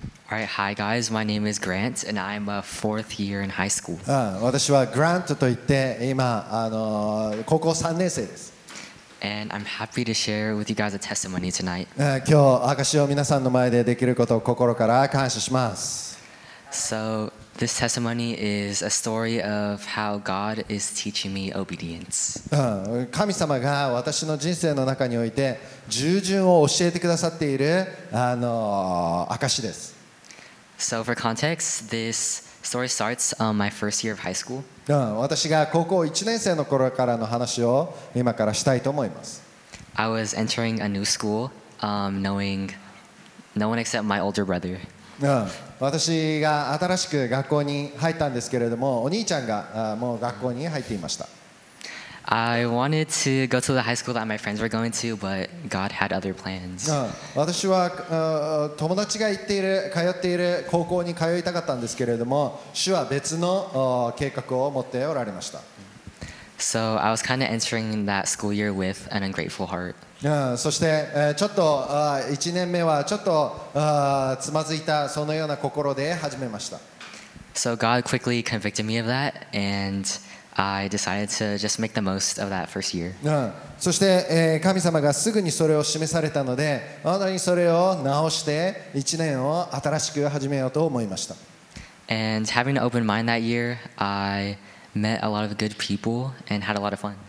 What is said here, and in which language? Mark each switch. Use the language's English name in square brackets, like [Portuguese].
[English] Alright, hi guys, my name is Grant and I'm a fourth year in high school. [Japanese] 私は Grant といって今、高校3年生です。 [English] And I'm happy to share with you guys a testimony tonight. [Japanese] 今日、証しを皆さんの前でできることを心から感謝します。 [English] So, this testimony is a story of how God is teaching me obedience. [Japanese] 神様が私の人生の中において従順を教えてくださっている証しです。 [English] So for context, this story starts on my first year of high school. [Japanese] 私が高校1年生の頃からの話を今からしたいと思います。 [English] I was entering a new school, knowing no one except my older brother. [Japanese] 私が新しく学校に入ったんですけれども、お兄ちゃんがもう学校に入っていました。 [English] I wanted to go to the high school that my friends were going to, but God had other plans. [Japanese] 私は友達が行っている、通っている高校に通いたかったんですけれども、主は別の計画を持っておられました。 [English] So I was kind of entering that school year with an ungrateful heart. [Japanese] そしてちょっと1年目はちょっとつまずいたそのような心で始めました。 [English] So God quickly convicted me of that, and I decided to just make the most of that first year. [Japanese] そして神様がすぐにそれを示されたので、本当にそれを直して1年を新しく始めようと思いました。 [English] And having an open mind that year, I met a lot of good people and had a lot of fun.